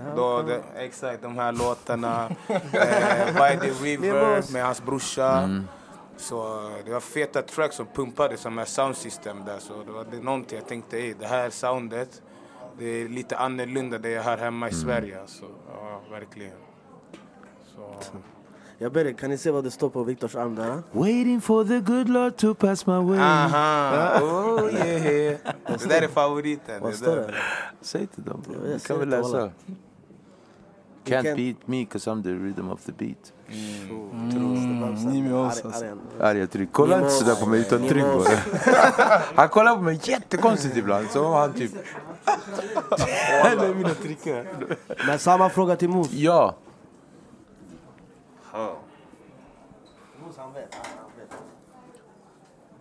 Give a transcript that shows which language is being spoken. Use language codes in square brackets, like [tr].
[sv] Då det, exakt de här låtarna By the River med hans brorsa. Mm. Så det var feta tracks som pumpade som här sound system där, så det var någonting jag tänkte i det här soundet. Det är lite annorlunda det jag har hemma i Sverige. Så, ja, verkligen. Så. Jag ber dig, kan ni se vad det står på Viktors arm där? [en] Waiting for the good Lord to pass my way. [sv] Aha. [en] Oh yeah. [sv] Det där är favoriten. Vad står det? Säg till dem. Du kan väl läsa. [en] Can't beat me because I'm the rhythm of the beat. [sv] Nimi också. Arga tryck. Kolla inte sådär på mig utan tryck på det. Han kollar på mig jättekonstigt ibland. Så han typ... Det är mina trickar. Men samma fråga till Mos. Ja. Mos han vet. Jag